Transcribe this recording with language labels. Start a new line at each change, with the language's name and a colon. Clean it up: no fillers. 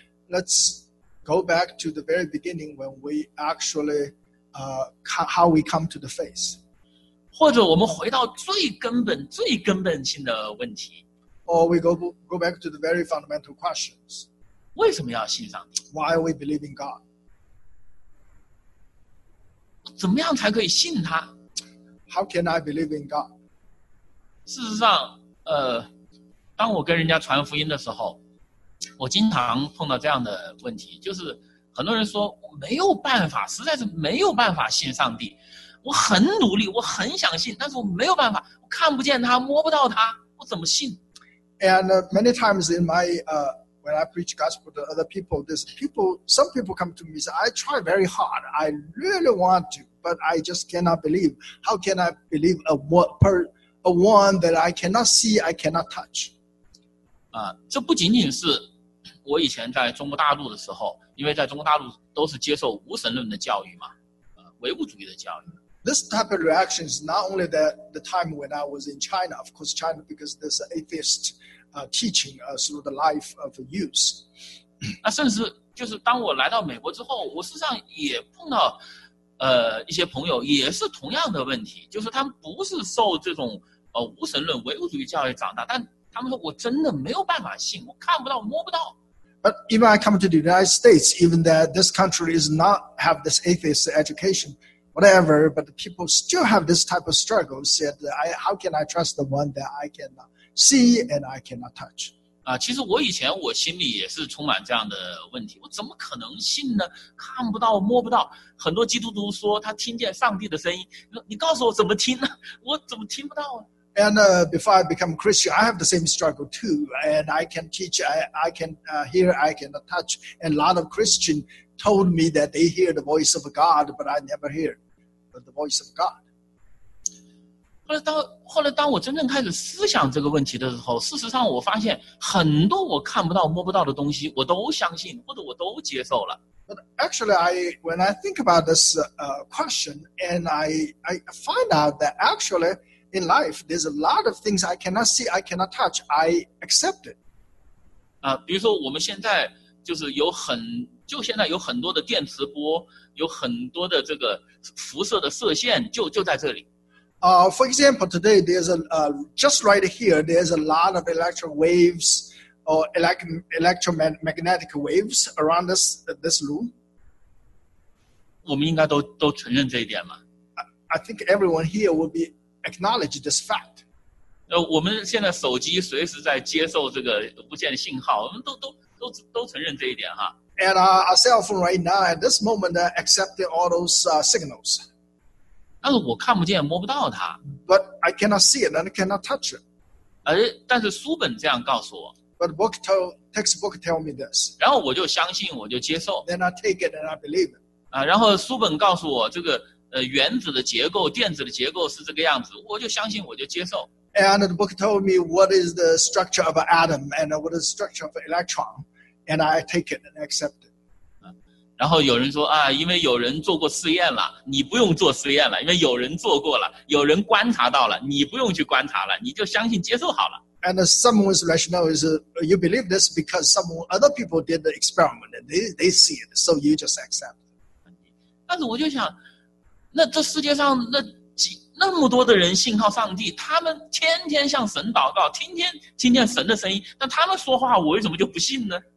English: Let's go back to the very beginning when we actually how we come to the faith.
Chinese: 或者我们回到最根本、最根本性的问题。
English: Or we go back to the very fundamental questions.
Chinese: 为什么要信上帝？
English: Why are we believing God?
Chinese: 怎么样才可以信他？
English: How can I believe in God?
Chinese: 事实上，当我跟人家传福音的时候，我经常碰到这样的问题，就是很多人说我没有办法，实在是没有办法信上帝。我很努力，我很想信，但是我没有办法，我看不见他，摸不到他，我怎么信？
English: And many times in my when I preach gospel to other people, some people come to me say, I try very hard, I really want to, but I just cannot believe. How can I believe a one that I cannot see, I cannot touch?
Chinese: 这不仅仅是我以前在中国大陆的时候，因为在中国大陆都是接受无神论的教育嘛，唯物主义的教育。
English: This type of reaction is not only that the time when I was in China, of course China, because there's atheist teaching through the life of youth.
Chinese: 甚至就是当我来到美国之后，我事实上也碰到一些朋友也是同样的问题，就是他们不是受这种无神论唯物主义教育长大，但他们说我真的没有办法信，我看不到，摸不到。
English: But even I come to the United States, even that this country is not have this atheist education, whatever, but the people still have this type of struggle, said, how can I trust the one that I cannot see and I cannot touch?
Chinese: 其实我以前我心里也是充满这样的问题，我怎么可能信呢？看不到，摸不到。很多基督徒说他听见上帝的声音，你告诉我怎么听呢？我怎么听不到啊？
English: And before I become Christian, I have the same struggle too. And I can teach, I can hear, I can touch. And a lot of Christians told me that they hear the voice of God, but I never hear the voice of God.
Chinese: 后来当我真正开始思想这个问题的时候，事实上我发现很多我看不到摸不到的东西我都相信或者我都接受了。
English: But actually, when I think about this question, and I find out that actually,In life, there's a lot of things I cannot see, I cannot touch, I accept it.
Chinese: 比如说我们现在就是现在有很多的电磁波，有很多的这个辐射的射线就在这里。
English: For example, today there's just right here, there's a lot of electric waves or electromagnetic waves around this room.
Chinese: 我们应该都承认这一点吗？
English: I think everyone here will beacknowledge this fact.
Chinese: 我们现在手机随时在接受这个无线信号，我们都承认这一点哈。
English: And our cell phone right now at this moment accepting all those signals.
Chinese: 但是我看不见，摸不到它。
English: But I cannot see it and I cannot touch it.
Chinese: 但是书本这样告诉我。
English: But textbook tell me this.
Chinese: 然后我就相信，我就接受。
English: Then I take it and I believe it.
Chinese: 然后书本告诉我这个。原子的结构，电子的结构是这个样子，我就相信，我就接受。
English: And the book told me what is the structure of an atom and what is the structure of an electron, and I take it and accept it.
Chinese: 然后有人说啊，因为有人做过试验了，你不用做试验了，因为有人做过了，有人观察到了，你不用去观察了，你就相信接受好了。
English: And someone's rationale is you believe this because other people did the experiment and they see it, so you just accept.
Chinese: 但是我就想，那这世界上那么多的人信靠上帝，他们天天向神祷告，天天听见神的声音，那他们说话，我为什么就不信呢？